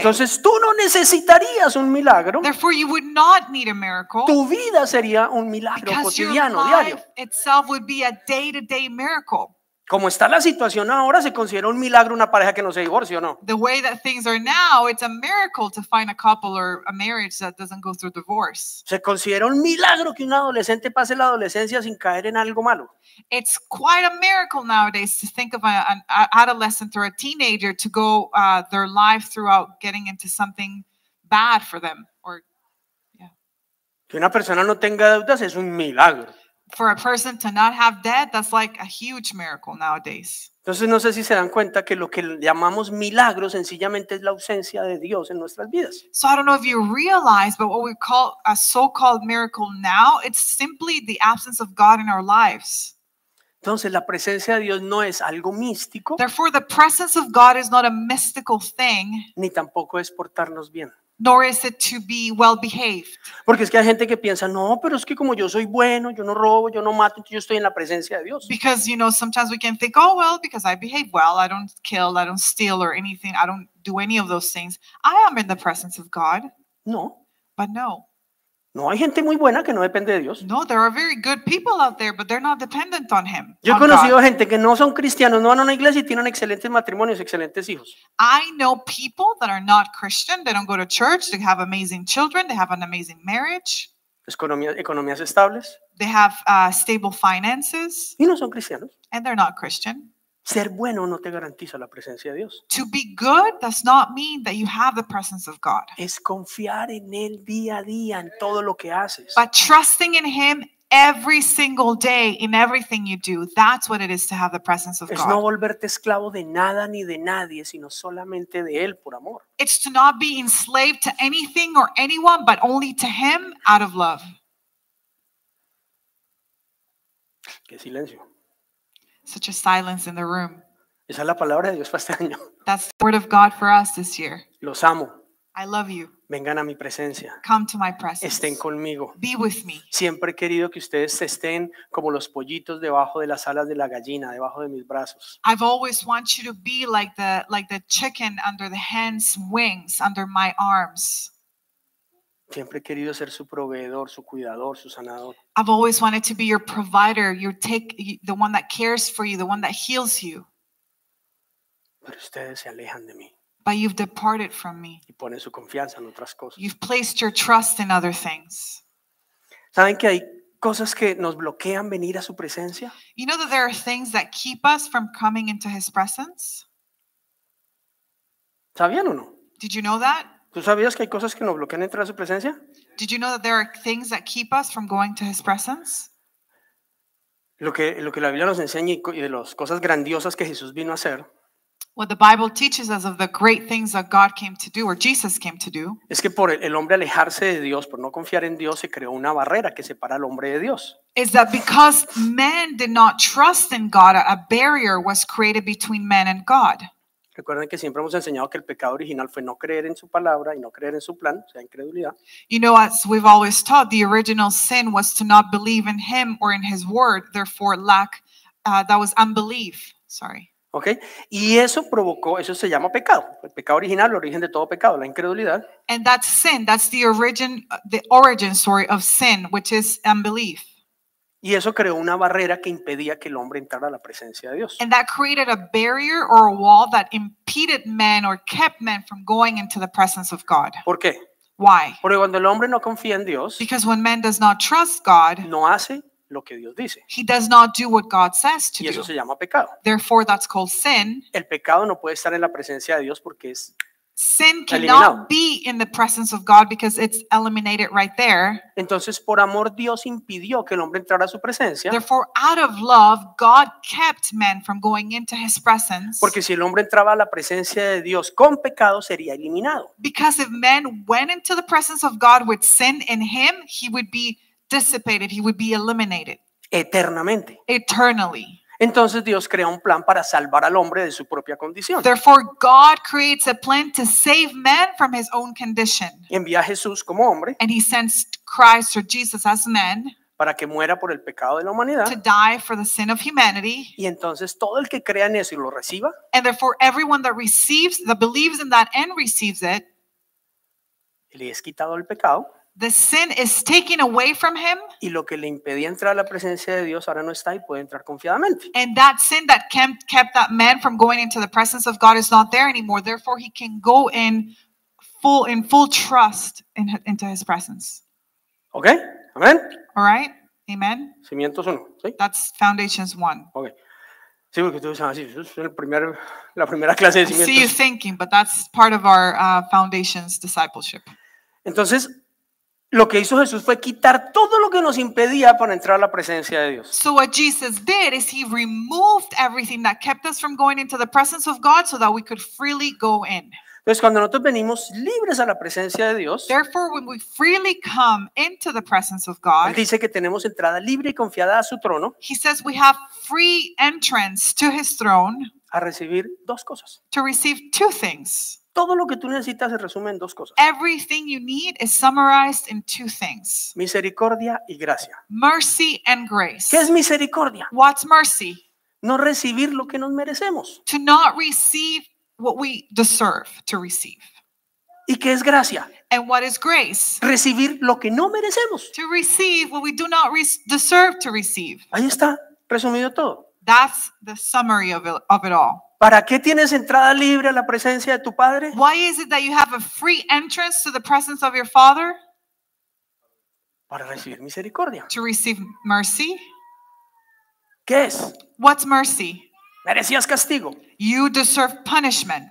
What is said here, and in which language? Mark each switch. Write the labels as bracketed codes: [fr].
[es] Entonces tú no necesitarías un milagro. [en] Therefore, you would not need a miracle. [es] Tu vida sería un milagro cotidiano, diario. [en] Because your life itself would be a day-to-day miracle. [es] Como está la situación ahora, se considera un milagro una pareja que no se divorcie, ¿o no? [en] The way that things are now, it's a miracle to find a couple or a marriage that doesn't go through divorce. [es] Se considera un milagro que un adolescente pase la adolescencia sin caer en algo malo. [en] It's quite a miracle nowadays to think of an adolescent or a teenager to go their life throughout getting into something bad for them. Or, yeah. [es] Que una persona no tenga deudas es un milagro. [en] For a person to not have debt, that's like a huge miracle nowadays. [es] Entonces no sé si se dan cuenta que lo que llamamos milagro sencillamente es la ausencia de Dios en nuestras vidas. [en] So I don't know if you realize, but what we call a so-called miracle now, it's simply the absence of God in our lives. [es] Entonces la presencia de Dios no es algo místico. [en] Therefore, the presence of God is not a mystical thing. [es] Ni tampoco es portarnos bien. [en] Nor is it to be well behaved. [es] Porque es que hay gente que piensa, no, pero es que como yo soy bueno, yo no robo, yo no mato, yo estoy en la presencia de Dios. [en] Because, you know, sometimes we can think, oh, well, because I behave well, I don't kill, I don't steal or anything, I don't do any of those things, I am in the presence of God. [es] No. [en] But no. [es] No, hay gente muy buena que no depende de Dios. [en] No, there are very good people out there, but they're not dependent on Him. [es] Yo he conocido gente que no son cristianos, no van a una iglesia y tienen excelentes matrimonios, excelentes hijos. [en] I know people that are not Christian, they don't go to church, they have amazing children, they have an amazing marriage. [es] Economías estables. [en] They have stable finances. [es] Y no son cristianos. [en] And they're not Christian. [es] Ser bueno no te garantiza la presencia de Dios. [en] To be good does not mean that you have the presence of God. [es] Es confiar en Él día a día en todo lo que haces. [en] But trusting in Him every single day in everything you do, that's what it is to have the presence of [es] God. Es no volverte esclavo de nada ni de nadie, sino solamente de Él por amor. [en] It's to not be enslaved to anything or anyone, but only to Him out of love. [es] Qué silencio. [en] Such a silence in the room. [es] Esa es la palabra de Dios para este año. [en] That's the word of God for us this year. [es] Los amo. [en] I love you. [es] Vengan a mi presencia. [en] Come to my presence. [es] Estén conmigo. [en] Be with me. [es] Siempre he querido que ustedes estén como los pollitos debajo de las alas de la gallina, debajo de mis brazos. [en] I've always wanted you to be like the chicken under the hen's wings, under my arms. [es] Siempre he querido ser su proveedor, su cuidador, su sanador. [en] I've always wanted to be your provider, the one that cares for you, the one that heals you. [es] Pero ustedes se alejan de mí. [en] But you've departed from me. [es] Y ponen su confianza en otras cosas. [en] You've placed your trust in other things. [es] ¿Saben que hay cosas que nos bloquean venir a su presencia? [en] You know that there are things that keep us from coming into His presence? [es] ¿Sabían o no? [en] Did you know that? [es] ¿Tú sabías que hay cosas que nos bloquean entrar a su presencia? [en] Did you know that there are things that keep us from going to His presence? [es] Lo que la Biblia nos enseña y de las cosas grandiosas que Jesús vino a hacer. [en] What the Bible teaches us of the great things that God came to do or Jesus came to do. [es] Es que por el hombre alejarse de Dios, por no confiar en Dios, se creó una barrera que separa al hombre de Dios. [en] Is that because man did not trust in God, a barrier was created between man and God. [es] Recuerden que siempre hemos enseñado que el pecado original fue no creer en su palabra y no creer en su plan, o sea, incredulidad. [en] You know, as we've always taught, the original sin was to not believe in Him or in His word, therefore lack, that was unbelief, sorry. [es] Okay, y eso provocó, eso se llama pecado, el pecado original, el origen de todo pecado, la incredulidad. [en] And that's sin, that's the origin story of sin, which is unbelief. [es] Y eso creó una barrera que impedía que el hombre entrara a la presencia de Dios. [en] And that created a barrier or a wall that impeded men or kept men from going into the presence of God. [es] ¿Por qué? [en] Why? [es] Porque cuando el hombre no confía en Dios, [en] because when man does not trust God, [es] no hace lo que Dios dice. [en] He does not do what God says to [es] do. Y eso [en] do. [es] Se llama pecado. [en] Therefore, that's called sin. [es] El pecado no puede estar en la presencia de Dios porque es [en] sin cannot be in the presence of God because it's eliminated right there. [es] Entonces, por amor, Dios impidió que el hombre entrara a su presencia. [en] Therefore, out of love, God kept man from going into His presence. [es] Porque si el hombre entraba a la presencia de Dios con pecado, sería eliminado. [en] Because if man went into the presence of God with sin in him, he would be dissipated, he would be eliminated. [es] Eternamente. [en] Eternally. [es] Entonces Dios crea un plan para salvar al hombre de su propia condición. [en] Therefore, God creates a plan to save man from his own condition. [es] Envía a Jesús como hombre. [en] And He sends Christ or Jesus as man. [es] para que muera por el pecado de la humanidad. [en] To die for the sin of humanity. [es] Y entonces todo el que crea en eso y lo reciba. [en] And therefore everyone that receives, that believes in that and receives it. [es] Le es quitado el pecado. [en] The sin is taken away from him. [es] Y lo que le impedía entrar a la presencia de Dios ahora no está y puede entrar confiadamente. [en] And that sin that kept that man from going into the presence of God is not there anymore. Therefore he can go in full trust into his presence. Okay. Amen. All right. Amen. [es] Cimientos uno, ¿sí? [en] That's foundations one. Okay. [es] Sí, porque tú sabes, eso es la primera clase de cimientos. [en] I see you thinking, but that's part of our foundations discipleship. [es] Entonces, lo que hizo Jesús fue quitar todo lo que nos impedía para entrar a la presencia de Dios. [en] So what Jesus did is he removed everything that kept us from going into the presence of God so that we could freely go in. [es] Entonces, cuando nosotros venimos libres a la presencia de Dios, [en] therefore, when we freely come into the presence of God, [es] Él dice que tenemos entrada libre y confiada a su trono. [en] He says we have free entrance to his throne. [es] A recibir dos cosas. [en] To receive two things. [es] Todo lo que tú necesitas se resume en dos cosas. [en] Everything you need is summarized in two things. [es] Misericordia y gracia. [en] Mercy and grace. [es] ¿Qué es misericordia? [en] What's mercy? [es] No recibir lo que nos merecemos. [en] To not receive what we deserve to receive. [es] ¿Y qué es gracia? [en] And what is grace? [es] Recibir lo que no merecemos. [en] To receive what we do not deserve to receive. [es] Ahí está resumido todo. [en] That's the summary of it all. [es] ¿Para qué tienes entrada libre a la presencia de tu padre? [en] Why is it that you have a free entrance to the presence of your father? [es] Para recibir misericordia. [en] To receive mercy. [es] ¿Qué es? [en] What's mercy? [es] Merecías castigo. [en] You deserve punishment.